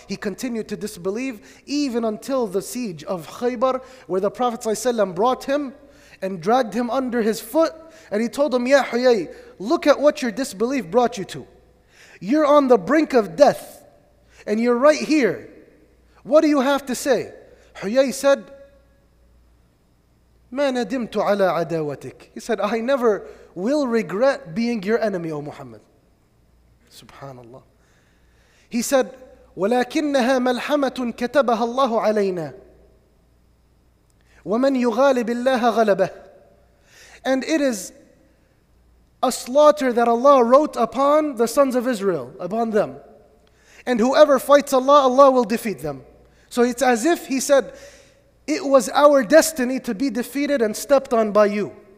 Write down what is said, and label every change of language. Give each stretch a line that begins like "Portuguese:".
English: He continued to disbelieve even until the siege of Khaybar, where the Prophet Sallallahu Alaihi Wasallam brought him and dragged him under his foot and he told him, Ya Huyay, look at what your disbelief brought you to. You're on the brink of death and you're right here. What do you have to say? Huyay said,
Arabic: مَا نَدِمْتُ عَلَىٰ عَدَاوَتِكَ.
English: He said, I never will regret being your enemy, O Muhammad. SubhanAllah. He said,
Arabic: وَلَكِنَّهَا مَلْحَمَةٌ كَتَبَهَا اللَّهُ عَلَيْنَا وَمَنْ يُغَالِبِ اللَّهَ غَلَبَهُ.
English: And it is a slaughter that Allah wrote upon the sons of Israel, upon them. And whoever fights Allah, Allah will defeat them. So it's as if he said, it was our destiny to be defeated and stepped on by you.